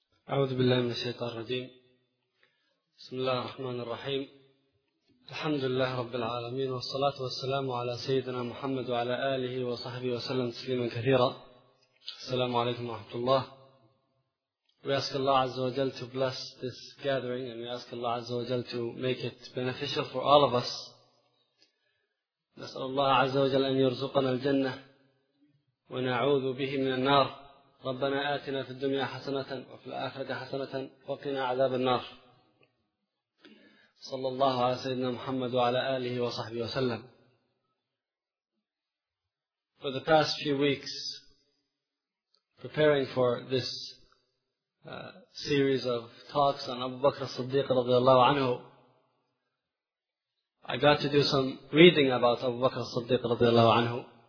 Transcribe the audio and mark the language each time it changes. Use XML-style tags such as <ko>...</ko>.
<ar>أعوذ بالله من الشيطان الرجيم. بسم الله الرحمن الرحيم. الحمد لله رب العالمين، والصلاة والسلام على سيدنا محمد وعلى آله وصحبه وسلم تسليما كثيرا. السلام عليكم ورحمة الله.</ar> <en>We ask Allah</en> <ar>عز وجل</ar> <en>to bless this gathering, and we ask Allah عز وجل to make it beneficial for all of us.</en> <ar>نسأل الله عز وجل أن يرزقنا الجنة ونعوذ به من النار. ربنا آتنا في الدنيا حسنة وفي الآخرة حسنة وقنا عذاب النار. صلى الله على سيدنا محمد وعلى آله وصحبه وسلم.</ar> <en>For the past few weeks, preparing for this series of talks on Abu Bakr as-Siddiq</en> <ar>رضي الله عنه,</ar> <en>I got to do some reading about Abu Bakr as-Siddiq رضي الله عنه.</en>